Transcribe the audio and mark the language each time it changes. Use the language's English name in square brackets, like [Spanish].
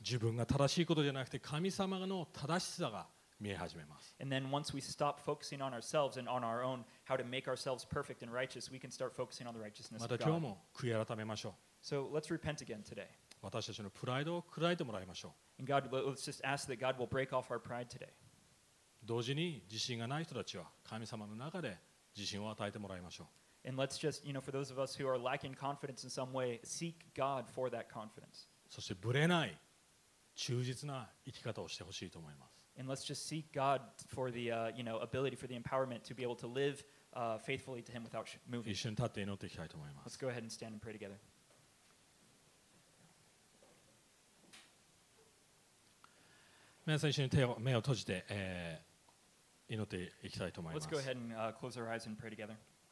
[Japanese] 自分が正しいことじゃなくて神様の正しさが見え始めます [English] And then once we stop focusing on ourselves and on our own how to make ourselves perfect and righteous, we can start focusing on the righteousness of God. [Japanese] また今日も悔い改めましょう [English] So let's repent again today. [Japanese] 私たちのプライドを砕いてもらいましょう [English] And God, let's just ask that God will break off our pride today. [Japanese] 同時に自信がない人たちは神様の中で自信を与えてもらいましょう [English] And let's just, you know, for those of us who are lacking confidence in some way, seek God for that confidence. [Japanese] そしてぶれない忠実な生き方をしてほしいと思います [English] And let's just seek God for the, you know, ability for the empowerment to be able to live faithfully to Him without moving. [Japanese] 一緒に立って祈っていきたいと思います。 [English] Let's go ahead and stand and pray together. [Japanese] 皆さん一緒に目を閉じて、祈っていきたいと思います。 [English] Let's go ahead and close our eyes and pray together.